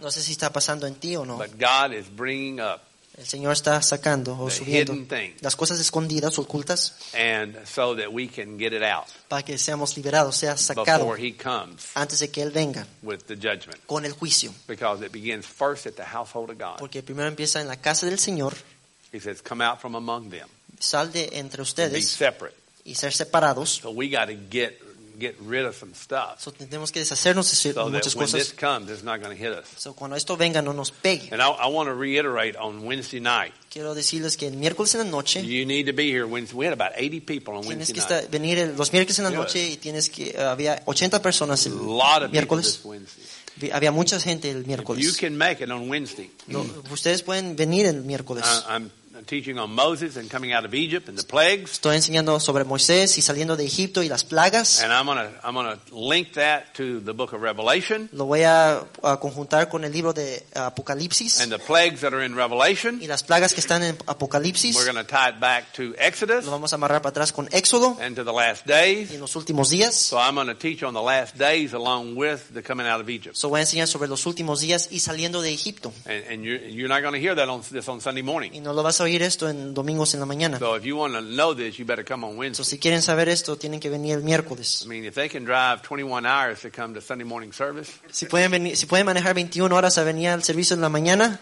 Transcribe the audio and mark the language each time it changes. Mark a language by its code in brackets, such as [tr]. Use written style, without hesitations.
[es] No sé si está pasando en ti o no. [en] But God is bringing up. [es] El Señor está sacando o subiendo las cosas escondidas, ocultas, [en] and so that we can get it out [es] para que seamos liberados, sea sacado [en] before he comes [es] antes de que Él venga [en] with the judgment. [es] Con el juicio. [en] Because it begins first at the household of God. [es] Porque primero empieza en la casa del Señor. [en] He says, come out from among them. [es] Sal de entre ustedes [en] and be separate. [es] Y ser separados. [en] So we got to get rid of some stuff. [es] So tenemos que deshacernos de muchas cosas. [en] When this comes, it's not going to hit us. [es] So cuando esto venga, no nos pegue. [en] And I want to reiterate on Wednesday night. [es] Quiero decirles que el miércoles en la noche. [en] You need to be here Wednesday. We had about 80 people on [es] tienes [en] Wednesday [es] que [en] night. [es] Tienes que venir los miércoles en la noche y tienes que había 80 personas el [en] a lot of [es] miércoles. [en] People this Wednesday. [es] Había mucha gente el miércoles. [en] If you can make it on Wednesday. [es] Ustedes pueden venir el miércoles. [en] I'm teaching on Moses and coming out of Egypt and the plagues. [es] Estoy enseñando sobre Moisés y saliendo de Egipto y las plagas. [en] And I'm gonna link that to the book of Revelation. [es] Lo voy a conjuntar con el libro de Apocalipsis. [en] And the plagues that are in Revelation. [es] Y las plagas que están en Apocalipsis. [en] We're gonna tie it back to Exodus. [es] Lo vamos a amarrar para atrás con Éxodo. [en] And to the last days. [es] Y en los últimos días. [en] So I'm gonna teach on the last days along with the coming out of Egypt. [es] So voy a enseñar sobre los últimos días y saliendo de Egipto. [en] And you're not gonna hear that on Sunday morning. [es] Y no lo vas a oír esto en domingos en la mañana. [en] So if you want to know this, you better come on Wednesday. [es] So si quieren saber esto, tienen que venir el miércoles. [en] I mean, if they can drive 21 hours to come to Sunday morning service. [es] Si pueden manejar 21 horas a venir al servicio en la mañana.